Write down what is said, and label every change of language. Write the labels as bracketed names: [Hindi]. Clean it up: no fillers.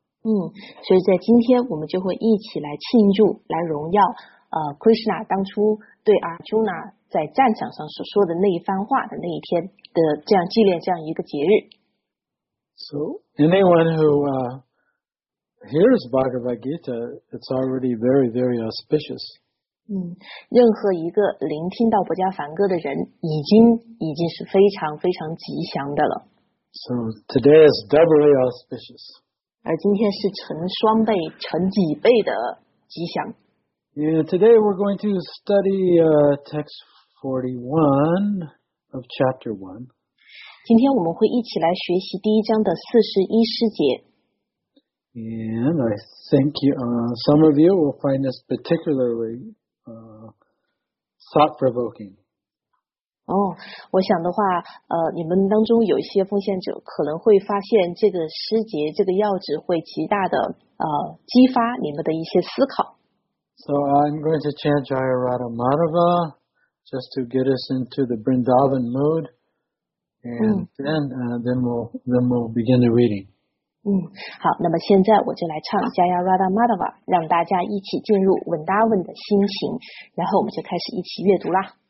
[Chinese] 所以在今天我们就会一起来庆祝，来荣耀Krishna 当初对 Arjuna 在战场上所说的那一番话的那一天的这样纪念这样一个节日。 [English] So anyone who hears Bhagavad Gita, it's already very, very auspicious. [Chinese] 任何一个聆听到伯加梵歌的人已经是非常非常吉祥的了。 [English] So today is doubly auspicious. [Chinese] 而今天是成双倍成几倍的吉祥。 [English] Yeah, today we're going to study text 41 of chapter 1. [Chinese] 今天我们会一起来学习第一章的41诗节。 [English] And I think some of you will find this particularly thought-provoking. [Chinese] 我想的话，你们当中有一些奉献者可能会发现这个诗节、这个要旨会极大的激发你们的一些思考。 [English] So I'm going to chant Jaya Radha Madhava just to get us into the Vrindavan mood, and then we'll begin the reading. [Chinese] 好，那么现在我就来唱 Jaya Radha Madhava， 让大家一起进入 Vrindavan 的心情，然后我们就开始一起阅读啦。